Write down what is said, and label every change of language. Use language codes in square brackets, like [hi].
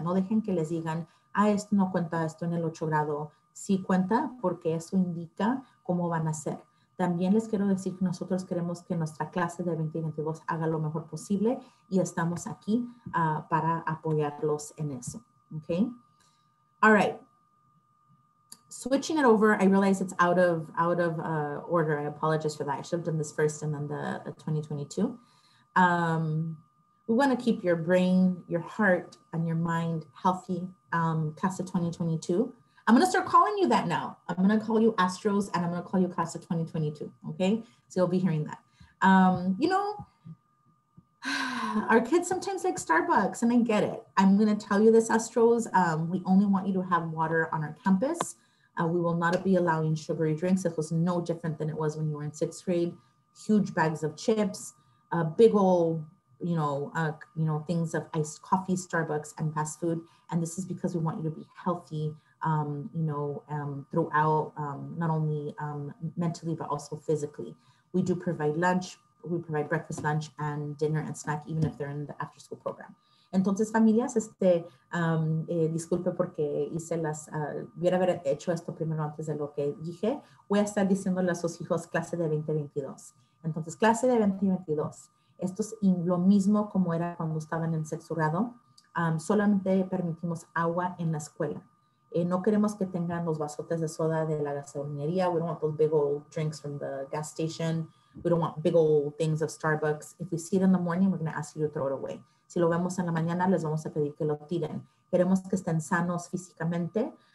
[es] No dejen que les digan, ah, esto no cuenta, esto en el ocho grado. Sí cuenta porque eso indica cómo van a ser. También les quiero decir que nosotros queremos que nuestra clase de 2022 haga lo mejor posible y estamos aquí para apoyarlos en eso. [en] Okay? All right. Switching it over, I realize it's out of order. I apologize for that. I should have done this first and then the 2022. We want to keep your brain, your heart, and your mind healthy, class of 2022. I'm going to start calling you that now. I'm going to call you Astros, and I'm going to call you class of 2022, okay? So you'll be hearing that. You know, our kids sometimes like Starbucks, and I get it. I'm going to tell you this, Astros. We only want you to have water on our campus. We will not be allowing sugary drinks. It was no different than it was when you were in sixth grade. Huge bags of chips, a big old, you know, things of iced coffee, Starbucks, and fast food. And this is because we want you to be healthy, throughout, not only mentally, but also physically. We do provide lunch. We provide breakfast, lunch, and dinner and snack, even if they're in the after-school program. [es] Entonces, familias, disculpe porque hice las, hubiera haber hecho esto primero antes de lo que dije. Voy a estar diciéndole a sus hijos clase de 2022. Entonces, clase de 2022. Esto es lo mismo como era cuando estaban en sexto grado. Solamente permitimos agua en la escuela. No queremos que tengan los vasotes de soda de la gasolinería. [en] We don't want those big old drinks from the gas station. We don't want big old things of Starbucks. If we see it in the morning, we're going to ask you to throw it away. [es] Si lo vemos en la mañana, les vamos a pedir que lo tiren. Queremos que estén sanos físicamente.